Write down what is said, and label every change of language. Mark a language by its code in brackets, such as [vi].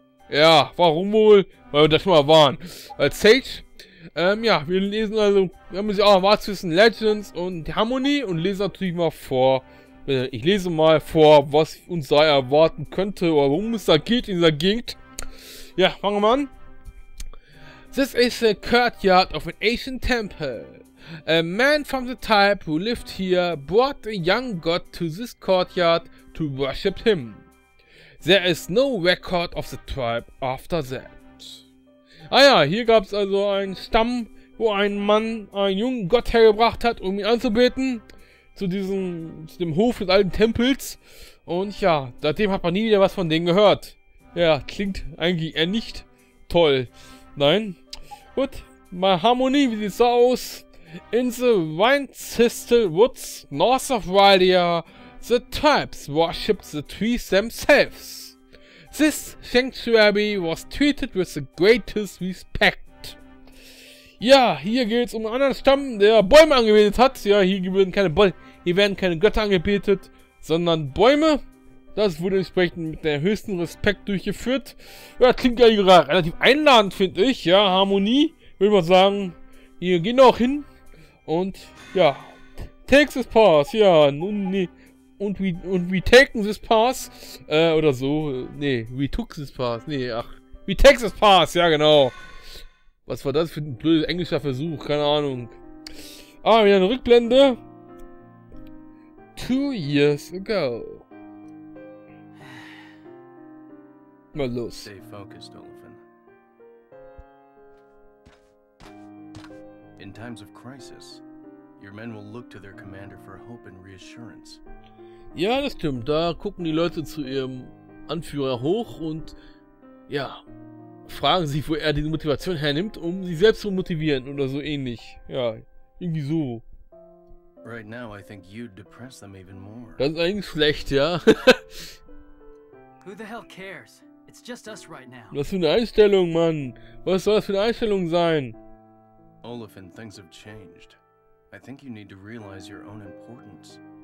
[de] Ja, warum wohl? Weil wir da schon mal waren. Als Sage. Ja, wir lesen also. Wir haben uns auch was zwischen Legends und Harmony und lesen natürlich mal vor. Ich lese mal vor, was uns da erwarten könnte oder worum es da geht in dieser Gegend. Ja, fangen wir mal an. [en] This is the courtyard of an ancient temple. A man from the type who lived here brought a young god to this courtyard to worship him. There is no record of the tribe after that. [de] Ah ja, hier gab es also einen Stamm, wo ein Mann einen jungen Gott hergebracht hat, um ihn anzubeten. Zu dem Hof des alten Tempels. Und ja, seitdem hat man nie wieder was von denen gehört. Ja, klingt eigentlich eher nicht toll. Nein. Gut, mal Harmony, wie sieht's da aus? [en] In the Winchester Woods, north of Rydia, the tribes worshipped the trees themselves. This sanctuary was treated with the greatest respect. [de] Ja, hier geht's um einen anderen Stamm, der Bäume angebetet hat. Ja, hier werden keine Götter angebetet, sondern Bäume. Das wurde entsprechend mit dem höchsten Respekt durchgeführt. Ja, klingt ja gerade relativ einladend, finde ich. Ja, Harmonie, würde man sagen. Hier gehen wir auch hin. Und ja, [en] take this pass. [de] Ja, nun, nee. [en] Und we taken this pass. [de] Oder so. [en] Nee, we took this pass. [de] Nee, ach. [en] We take this pass. [de] Ja, genau. Was war das für ein blödes englischer Versuch? Keine Ahnung. Ah, wieder eine Rückblende. [en] 2 years ago. [de] Mal los. [en] Stay focused, [de] Oliphant. [en] In times of crisis, your men will look to their commander for hope and reassurance. [de] Ja, das stimmt. Da gucken die Leute zu ihrem Anführer hoch und ja, fragen sich, wo er diese Motivation hernimmt, um sie selbst zu motivieren oder so ähnlich. Ja, irgendwie so. [en] Right now, I think you'd depress them even more. [de] Das ist eigentlich schlecht, ja. [en] Who the hell cares? It's just us right now. [de] Was für eine Einstellung, Mann? Was soll das für eine Einstellung sein? [en] Oliphant, things have changed. I think you need to realize your own importance.